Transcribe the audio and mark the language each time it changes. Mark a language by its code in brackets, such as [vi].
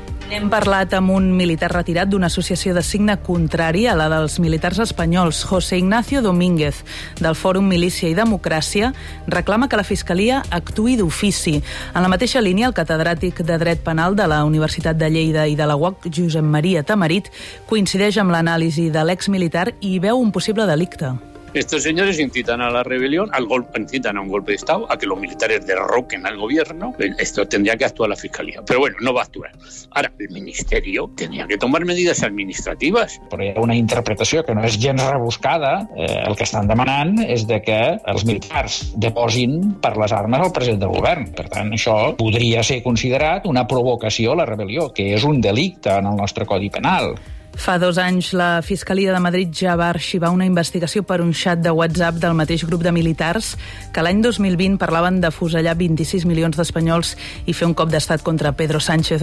[ca] Hem parlat amb un militar retirat d'una associació de signe contrari a la dels militars espanyols, José Ignacio Domínguez, del Fòrum Milícia i Democràcia, reclama que la Fiscalia actuï d'ofici. En la mateixa línia, el catedràtic de Dret Penal de la Universitat de Lleida i de la UOC, Josep Maria Tamarit, coincideix amb l'anàlisi de l'exmilitar i veu un possible delicte. [es] Estos señores incitan a la rebelión, incitan a un golpe de Estado, a que los militares derroquen al gobierno. Esto tendría que actuar la Fiscalía, pero bueno, no va a actuar. Ahora, el Ministerio tenía que tomar medidas administrativas. [ca] Però hi ha una interpretació que no és gens rebuscada. El que estan demanant és de que els militars deposin per les armes el president del govern. Per tant, això podria ser considerat una provocació a la rebel·lió, que és un delicte en el nostre Codi Penal. Fa dos anys, la Fiscalia de Madrid ja va arxivar una investigació per un xat de WhatsApp del mateix grup de militars que l'any 2020 parlaven d'afusellar 26 milions d'espanyols i fer un cop d'estat contra Pedro Sánchez.